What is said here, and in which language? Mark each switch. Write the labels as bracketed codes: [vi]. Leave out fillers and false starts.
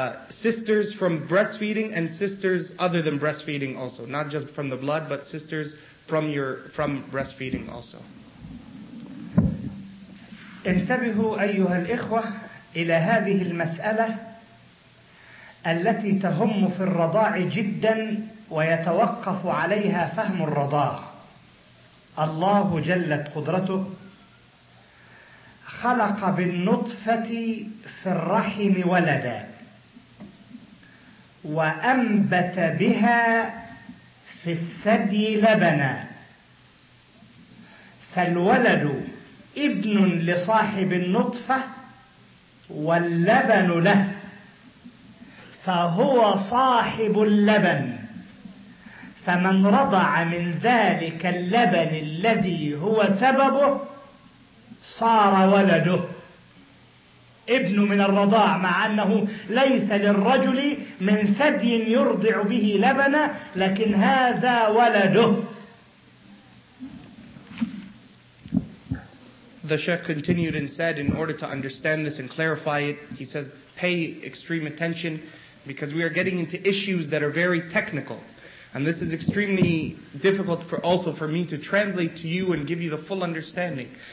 [en] Sisters from breastfeeding and sisters other than breastfeeding also. Not just from the blood, but sisters from breastfeeding also. [ar] انتبهوا أيها الإخوة إلى هذه المسألة التي تهم في الرضاع جدا ويتوقف عليها فهم الرضاع. الله جلت قدرته خلق بالنطفة في الرحم ولدا وأنبت بها في الثدي لبنا، فالولد ابن لصاحب النطفة واللبن له، فهو صاحب اللبن، فمن رضع من ذلك اللبن الذي هو سببه صار ولده ابن من الرضاع، مع أنه ليس للرجل من ثدي يرضع به لبنا، لكن هذا ولده. [en] The Sheikh continued and said, in order to understand this and clarify it, he says, pay extreme attention, because we are getting into issues that are very technical. And this is extremely difficult for also for me to translate to you and give you the full understanding.